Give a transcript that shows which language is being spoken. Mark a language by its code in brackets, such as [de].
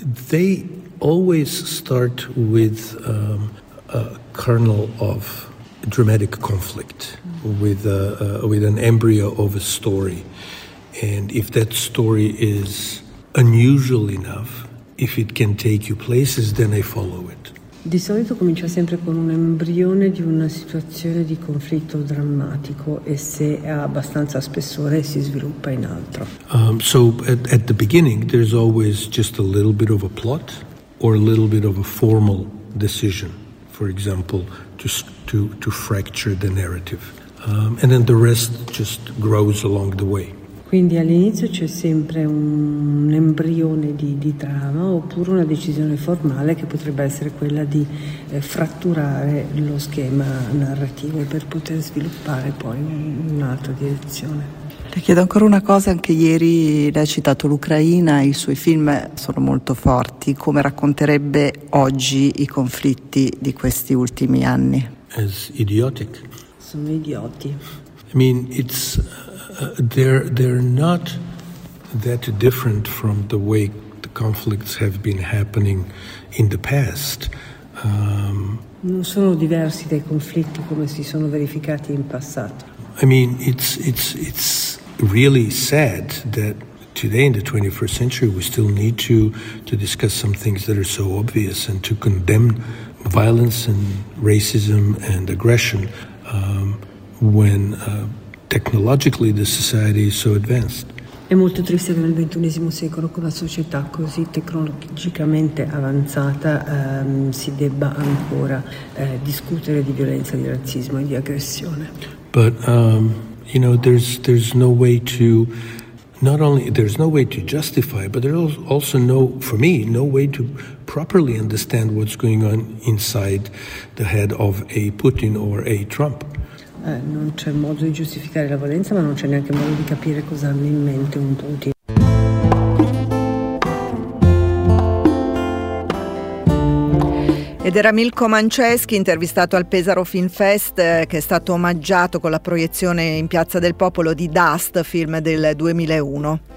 [en] They always start with a kernel of dramatic conflict, with an embryo of a story. And if that story is unusual enough, if it can take you places, then I follow it. [it] Di solito comincia sempre con un embrione di una situazione di conflitto drammatico e se ha abbastanza spessore si sviluppa in altro. [en] So at the beginning there's always just a little bit of a plot or a little bit of a formal decision, for example, to fracture the narrative. And then the rest just grows along the way. [it] Quindi all'inizio c'è sempre un embrione di trama oppure una decisione formale che potrebbe essere quella di fratturare lo schema narrativo per poter sviluppare poi un'altra direzione. Le chiedo ancora una cosa, anche ieri lei ha citato l'Ucraina, i suoi film sono molto forti, come racconterebbe oggi i conflitti di questi ultimi anni? [en] As idiotic. [it] Sono idioti. [en] I mean, it's they're not that different from the way the conflicts have been happening in the past. [it] Non sono diversi dai conflitti come si sono verificati in passato. [en] I mean, it's really sad that today in the 21st century we still need to discuss some things that are so obvious and to condemn violence and racism and aggression when technologically the society is so advanced. [it] È molto triste che nel XXI secolo con la società così tecnologicamente avanzata si debba ancora discutere di violenza, di razzismo e di aggressione. [en] But you know, there's no way to, not only there's no way to justify, but there's also no, for me, no way to properly understand what's going on inside the head of a Putin or a Trump. [it] Non c'è modo di giustificare la violenza, ma non c'è neanche modo di capire cosa hanno in mente un Putin. Ed era Milko Manceschi, intervistato al Pesaro Film Fest, che è stato omaggiato con la proiezione in Piazza del Popolo di Dust, film del 2001.